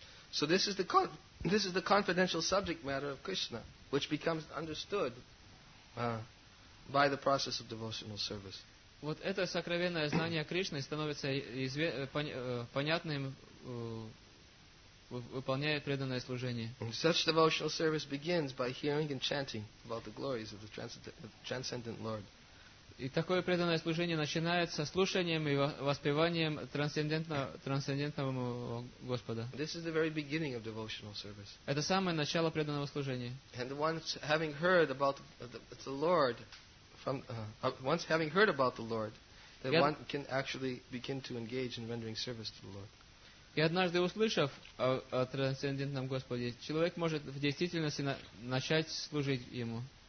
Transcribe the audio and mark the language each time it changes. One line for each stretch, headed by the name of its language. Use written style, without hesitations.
English: So this is the confidential subject matter of Krishna, which becomes understood by the process of devotional service.
Russian: Вот это сокровенное знание Кришны становится понятным, выполняя преданное служение.
English: And such devotional service begins by hearing and chanting about the glories of the transcendent Lord.
Russian: И такое преданное служение начинается слушанием и воспеванием трансцендентного Господа.
English: This is the very beginning of devotional service.
Russian: Это самое начало преданного служения.
English: And once having heard about the Lord, once having heard about the Lord, then one can actually begin to engage in rendering service to the Lord.
Russian: И однажды услышав о трансцендентном Господе, человек может в действительности начать служить ему.